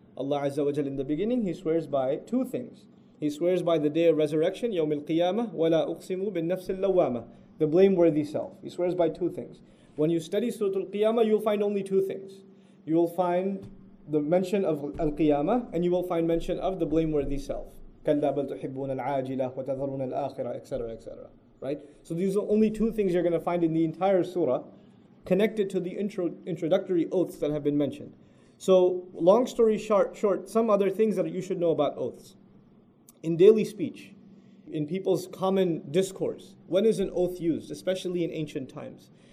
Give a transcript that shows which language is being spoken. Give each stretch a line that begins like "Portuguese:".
English: Allah Azza wa Jalla, in the beginning, He swears by two things. He swears by the day of resurrection,
Arabic: يوم القيامة, ولا أقسم بالنفس اللوامة,
English: the blameworthy self. He swears by two things. When you study Surah Al-Qiyamah, you'll find only two things. You will find the mention of Al-Qiyamah, and you will find mention of the blameworthy self.
Arabic: كَلَّا بَلْ تُحِبُّونَ الْعَاجِلَةِ وَتَذَرُونَ الْآخِرَةِ, etc., etc.
English: Right? So these are only two things you're going to find in the entire surah connected to the introductory oaths that have been mentioned. So long story short, some other things that you should know about oaths. In daily speech, in people's common discourse, when is an oath used, especially in ancient times?